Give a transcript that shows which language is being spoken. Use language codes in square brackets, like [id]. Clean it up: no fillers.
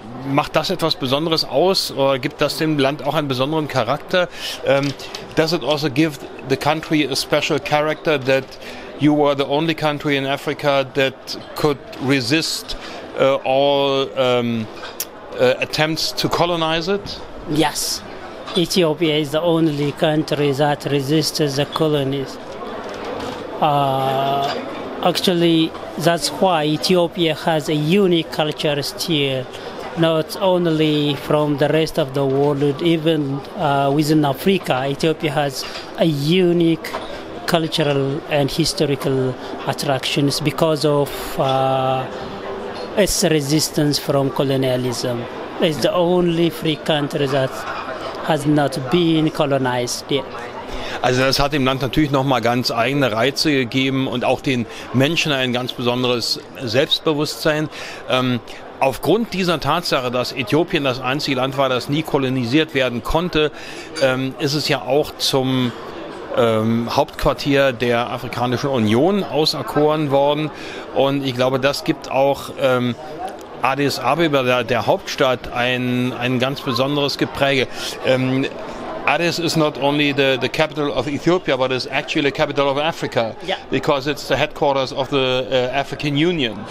[de] Macht das etwas Besonderes aus oder gibt das dem Land auch einen besonderen Charakter? [en] Does it also give the country a special character that you were the only country in Africa that could resist all attempts to colonize it? Yes, Ethiopia is the only country that resisted the colonies. Actually, that's why Ethiopia has a unique culture still. Not only from the rest of the world, even within Africa, Ethiopia has a unique cultural and historical attractions because of its resistance from colonialism. It's the only free country that has not been colonized yet. [de] Also das hat dem Land natürlich nochmal ganz eigene Reize gegeben und auch den Menschen ein ganz besonderes Selbstbewusstsein. Aufgrund dieser Tatsache, dass Äthiopien das einzige Land war, das nie kolonisiert werden konnte, ist es ja auch zum Hauptquartier der Afrikanischen Union auserkoren worden. Und ich glaube, das gibt auch Addis Abeba, der Hauptstadt, ein ganz besonderes Gepräge. [en] Addis is not only the capital of Ethiopia, but is actually the capital of Africa, yeah, because it's the headquarters of the African Union.